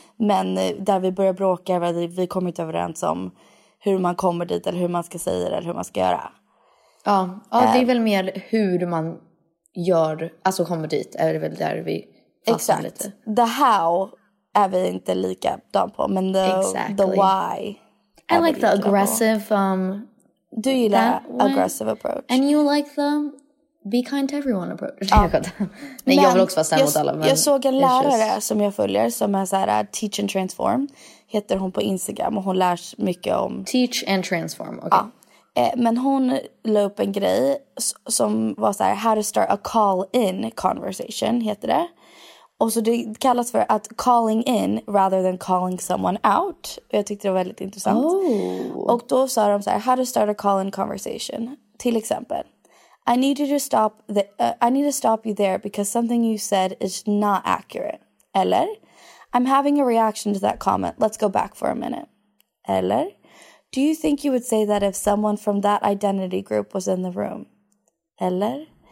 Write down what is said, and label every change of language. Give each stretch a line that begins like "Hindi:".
Swedish: Men där vi börjar bråka, vi kommer inte överens om hur man kommer dit eller hur man ska säga det, eller hur man ska göra. Ja, det är väl mer hur man gör, alltså kommer dit, är det väl där vi fastnar lite.
English: The how
Swedish: är vi inte lika dan på, men
English: the why. I like the aggressive Do you like aggressive approach? And you like the be kind to everyone approach.
Swedish: Ja. Nej, men jag vill också vara snäll mot alla. Jag såg en lärare som jag följer som är så här Teach and Transform, heter hon på Instagram, och hon lär sig mycket om Teach and Transform, okej. Okay. Ja. Men hon la upp en grej som var så här,
English: how to start a call-in conversation,
Swedish: heter det. Och så det kallas för att
English: calling in rather than calling someone out.
Swedish: Och jag tyckte det var väldigt intressant. Oh. Och då sa de så här,
English: how to start a call-in conversation.
Swedish: Till exempel,
English: I need you to stop I need to stop you there because something you said is not accurate.
Swedish: Eller,
English: I'm having a reaction to that comment. Let's go back for a minute.
Swedish: Eller,
English: do you think you would say that if someone from that identity group was in the room? Eller?